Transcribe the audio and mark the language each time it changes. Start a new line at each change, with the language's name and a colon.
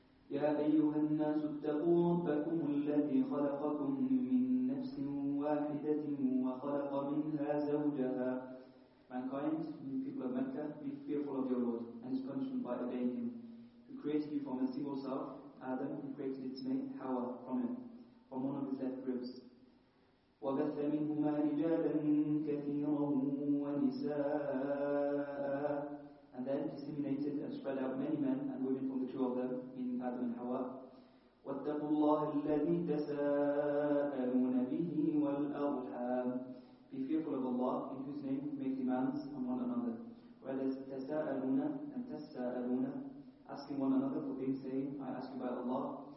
Arabic: يا أيها الناس اتقوا ربكم الذي خلقكم من نفس واحدة وخلق منها زوجها.
English: Mankind, you people of Mecca, be fearful of your Lord and his punishment by obeying him, who created you from a single self, Adam, who created its mate, Hawa, from him, from one of his left ribs.
Arabic: وبث منهما رجالا كثيرا ونساء.
English: And then disseminated and spread out many men and women from the two of them, meaning Adam and Hawa.
Arabic: وَاتَّقُوا اللَّهِ الَّذِي تَسَاءَلُونَ بِهِ وَالْأَرْحَامِ.
English: Be fearful of Allah, in whose name you make demands on one another. Whereas تَسَاءَلُونَ and تَسَاءَلُونَ, asking one another for things, saying, I ask you by Allah.